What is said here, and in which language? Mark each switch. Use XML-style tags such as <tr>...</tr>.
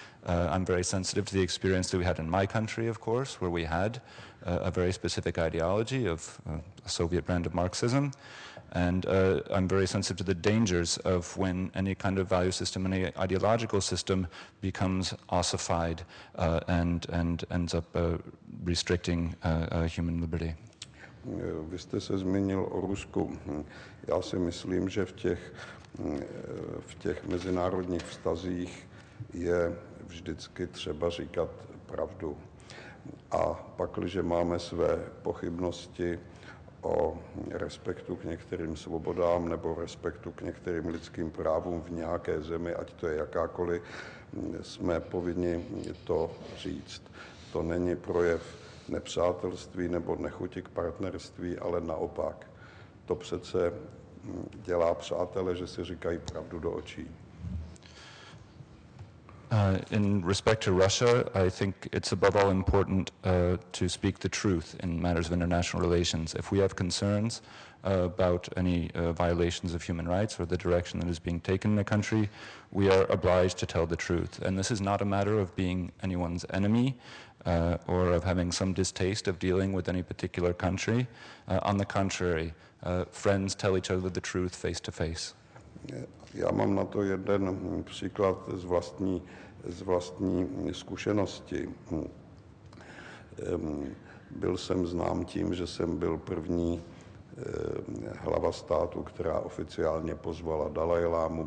<en>I'm very sensitive to the experience that we had in my country, of course, where we had a very specific ideology of a Soviet brand of Marxism. And I'm very sensitive to the dangers of when any kind of value system, any ideological system, becomes ossified and ends up restricting human liberty.</en> <cs>Vy jste se zmínil o Rusku. Já si myslím, že v těch mezinárodních vztazích je vždycky třeba říkat pravdu. A pakliže máme své pochybnosti o respektu k některým svobodám nebo respektu k některým lidským právům v nějaké zemi, ať to je jakákoliv, jsme povinni to říct. To není projev nepřátelství nebo nechuti k partnerství, ale naopak. To přece dělá přátelé, že si říkají pravdu do očí.</cs> <en>In respect to Russia, I think it's above all important to speak the truth in matters of international relations. If we have concerns about any violations of human rights or the direction that is being taken in a country, we are obliged to tell the truth. And this is not a matter of being anyone's enemy or of having some distaste of dealing with any particular country. On the contrary, friends tell each other the truth face to face.</en> <cs>Já mám na to jeden příklad z vlastní zkušenosti. Byl jsem znám tím, že jsem byl první hlava státu, která oficiálně pozvala Dalajlámu.</cs>